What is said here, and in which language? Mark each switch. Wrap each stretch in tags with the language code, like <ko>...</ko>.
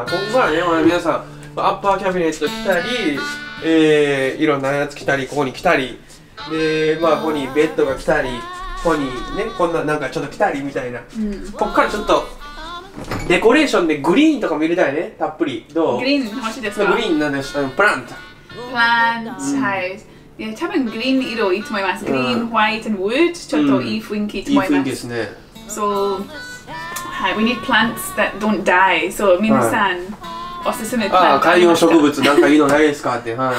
<ja>ここからね、まあ、皆さんアッパーキャビネット来たり、いろんなやつ来たり、ここに来たりで、まあここにベッドが来たり、ここにね、こんななんかちょっと来たりみたいな、うん、ここからちょっとデコレーションでグリーンとかも入れたいね、たっぷり。どう？グリーン欲しいですか？グリーンなんでしょ、プラント、プラント、はい、いや、多分グリーン色いいと思います。グリーン、ホワイト、ウッド、ちょっといい雰囲気と思います。いい雰囲気ですね。</ja> <en>So, hi, we need plants that don't die.</en> <ja>So, Minu-san, おすすめ</ja> <en>plant.</en> <ja>観葉植物なんかいいのないですかって、はい。</ja>